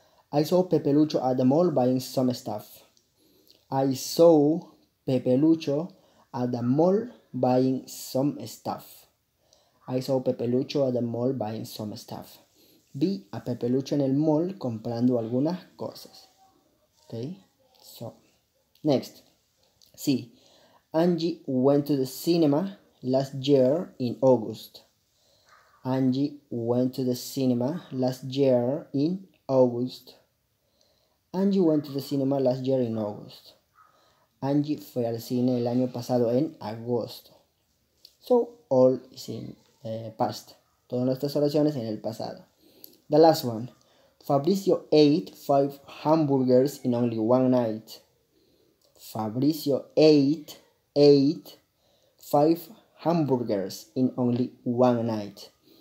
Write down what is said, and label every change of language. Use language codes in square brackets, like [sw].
[en] I saw Pepe Lucho at the mall buying some stuff. I saw Pepe Lucho at the mall buying some stuff. I saw Pepe Lucho at the mall buying some stuff. [es] Vi a Pepe Lucho en el mall comprando algunas cosas. [en] Okay. So, next. Sí. Angie went to the cinema last year in August. Angie went to the cinema last year in August. Angie went to the cinema last year in August. [es] Angie fue al cine el año pasado en agosto. [en] So, all is in past. [es] Todas nuestras oraciones en el pasado. [en] The last one. Fabricio ate 5 hamburgers in only one night. Fabricio ate 5 hamburgers in only one night.